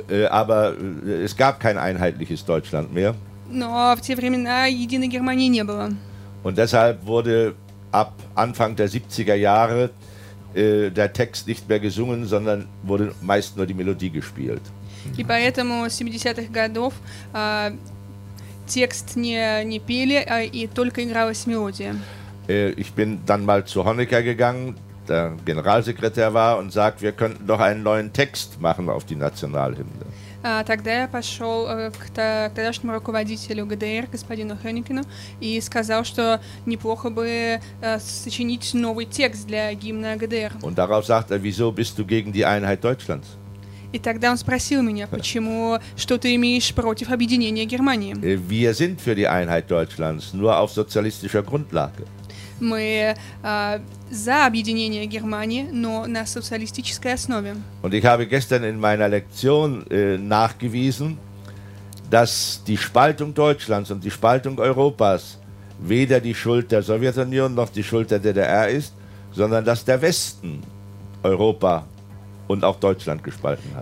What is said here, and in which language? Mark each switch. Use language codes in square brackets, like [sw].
[de] Aber es gab kein einheitliches Deutschland mehr. [ru] Но в те времена единой Германии не было. [de] Und deshalb wurde ab Anfang der 70er Jahre der Text nicht mehr gesungen, sondern wurde meist nur die Melodie gespielt. [ru] И поэтому с 70-х годов текст не пели, а и только игралась мелодия. [de] Ich bin dann mal zu Honecker gegangen, der Generalsekretär war, und sagte, wir könnten doch einen neuen Text machen auf die Nationalhymne. [ru] Тогда я пошел к тогдашнему руководителю ГДР, господину Хёникину, и сказал, что неплохо бы сочинить новый текст для гимна ГДР. [de] Und darauf sagt er, wieso bist du gegen die Einheit Deutschlands? [ru] И тогда он спросил меня, почему, что ты имеешь против объединения Германии? [de] Wir sind für die Einheit Deutschlands, nur auf sozialistischer Grundlage. [ru] Мы за объединение Германии, но на социалистической основе. [de] Und ich habe gestern in meiner Lektion nachgewiesen, dass die Spaltung Deutschlands und die Spaltung Europas weder die Schuld der Sowjetunion noch die Schuld der DDR ist, sondern dass der Westen Европа und auch Deutschland gespalten hat.